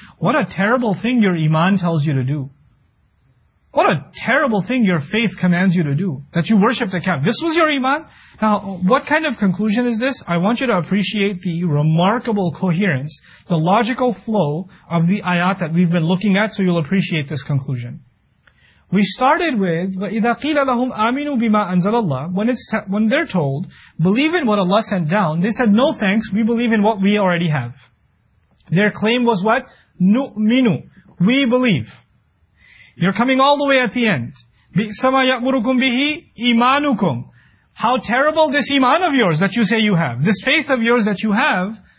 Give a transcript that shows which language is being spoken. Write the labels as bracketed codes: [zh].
[en] What a terrible thing your iman tells you to do. What a terrible thing your faith commands you to do. That you worship the calf. This was your iman? Now, what kind of conclusion is this? I want you to appreciate the remarkable coherence, the logical flow of the ayat that we've been looking at, so you'll appreciate this conclusion. We started with, [ar] وَإِذَا قِيلَ لَهُمْ آمِنُوا بِمَا أَنزَلَ اللَّهِ. [en] When they're told, believe in what Allah sent down, they said, no thanks, we believe in what we already have. Their claim was what? [ar] نُؤْمِنُ. [en] We believe. You're coming all the way at the end. [ar] بِئْسَ مَا يَأْمُرُكُمْ بِهِ إِيمَانُكُمْ. [en] How terrible this iman of yours that you say you have. This faith of yours that you have.